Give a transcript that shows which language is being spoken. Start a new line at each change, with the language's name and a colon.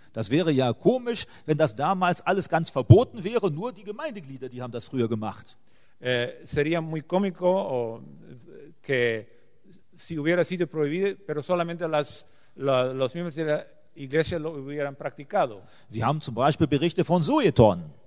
German: Das wäre ja komisch, wenn das damals alles ganz verboten wäre, nur die Gemeindeglieder, die haben das früher gemacht.
Spanish: Sería muy cómico que si hubiera sido prohibido, pero solamente los miembros de la iglesia lo hubieran practicado.
German: Wir haben zum Beispiel Berichte von Sueton.